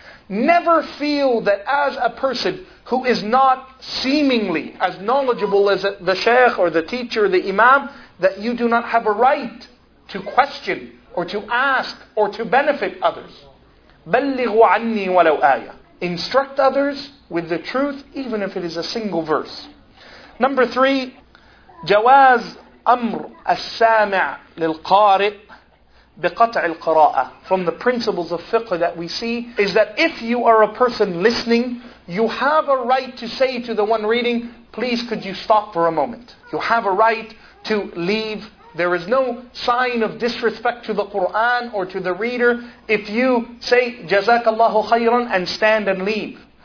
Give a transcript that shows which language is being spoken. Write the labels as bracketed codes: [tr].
[en] never feel that as a person who is not seemingly as knowledgeable as the sheikh or the teacher or the imam, that you do not have a right to question or to ask or to benefit others. [ar] بَلِّغُ عَنِّي وَلَوْ آيَةً. [en] Instruct others with the truth, even if it is a single verse. Number three, [ar] جواز أمر السامع للقارئ بقطع القراءة. [en] From the principles of fiqh that we see, is that if you are a person listening, you have a right to say to the one reading, please could you stop for a moment. You have a right to leave. There is no sign of disrespect to the Qur'an or to the reader if you say, Jazakallahu khayran, and stand and leave.